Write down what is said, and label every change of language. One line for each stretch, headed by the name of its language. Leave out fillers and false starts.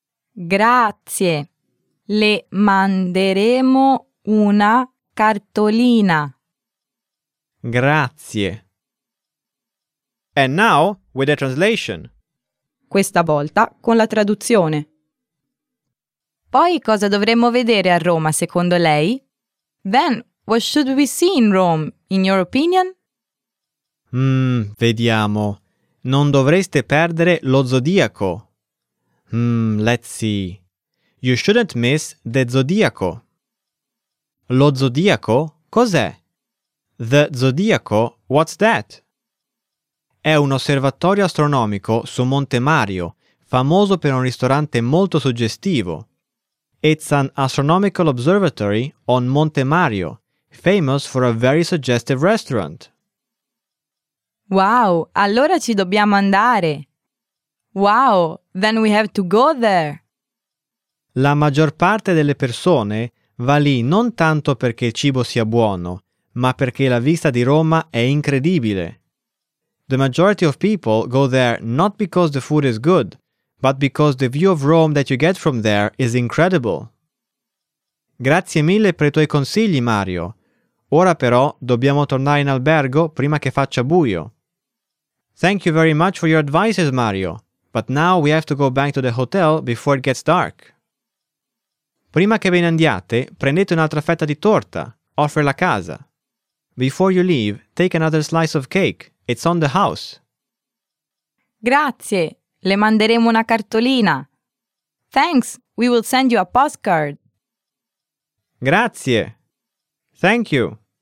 Italian: Grazie. Le manderemo una cartolina. Grazie.
English: And now with the translation.
Italian: Questa volta con la traduzione. Poi cosa dovremmo vedere a Roma, secondo lei?
English: Then what should we see in Rome, in your opinion?
Italian: Vediamo. Non dovreste perdere lo zodiaco.
English: Let's see. You shouldn't miss the zodiaco.
Italian: Lo zodiaco cos'è?
English: The zodiaco, what's that?
Italian: È un osservatorio astronomico su Monte Mario, famoso per un ristorante molto suggestivo.
English: It's an astronomical observatory on Monte Mario, famous for a very suggestive restaurant. Wow,
Italian: allora ci dobbiamo andare.
English: Wow, then we have to go there.
Italian: La maggior parte delle persone va lì non tanto perché il cibo sia buono, ma perché la vista di Roma è incredibile.
English: The majority of people go there not because the food is good, but because the view of Rome that you get from there is incredible.
Italian: Grazie mille per i tuoi consigli, Mario. Ora però dobbiamo tornare in albergo prima che faccia buio.
English: Thank you very much for your advices, Mario. But now we have to go back to the hotel before it gets dark.
Italian: Prima che ve ne andiate, prendete un'altra fetta di torta. Offre la casa.
English: Before you leave, take another slice of cake. It's on the house.
Italian: Grazie. Le manderemo una cartolina.
English: Thanks. We will send you a postcard.
Italian: Grazie.
English: Thank you.